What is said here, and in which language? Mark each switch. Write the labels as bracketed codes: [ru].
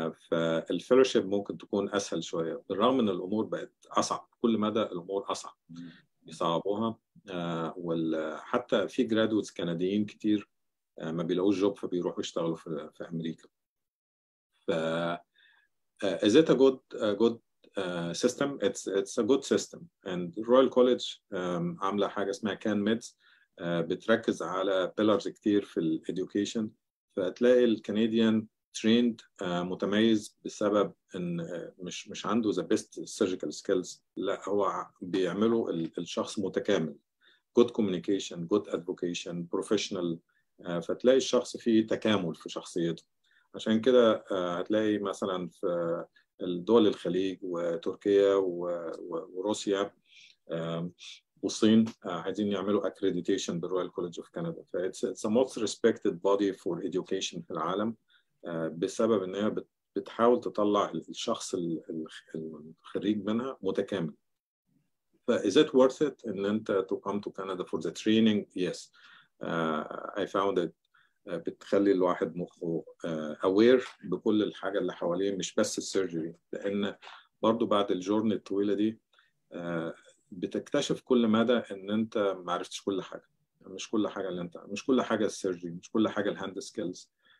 [ar] فالفيلوشيب ممكن تكون أسهل شوية بالرغم من الأمور بقت أصعب كل مدى الأمور أصعب يصعبوها. وحتى في جرادوتس كنديين كتير ما بيلاقوش جوب فبيروحوا يشتغلوا في أمريكا. [en] Is it a good system? It's a good system and Royal College [ar] عاملة حاجة اسمها [en] Can Meds [ar] بتركز على [en] pillars [ar] كتير في الـ [en] education. [ar] فتلاقي الكنديان trained متميز بسبب ان مش عنده [en] the best surgical skills, [ar] لا هو بيعمله الشخص متكامل, [en] good communication, good advocation, professional. [ar] فتلاقي الشخص فيه تكامل في شخصيته. عشان كده هتلاقي مثلا في الدول الخليج وتركيا وروسيا والصين عايزين يعملوا accreditation بالرويال كوليدج اوف كندا. [en] it's a most respected body for education [ar] في العالم بسبب انها بتحاول تطلع الشخص الخريج منها متكامل. [en] Is it worth it [ar] ان انت [en] to come to Canada for the training? Yes. I found it [ar] بتخلي الواحد مخه aware بكل الحاجة اللي حواليه مش بس السيرجري, لان برضو بعد الجورني الطويلة دي بتكتشف كل مدى ان انت معرفتش كل حاجة. مش كل حاجة السيرجري, مش كل حاجة الهاند سكيلز.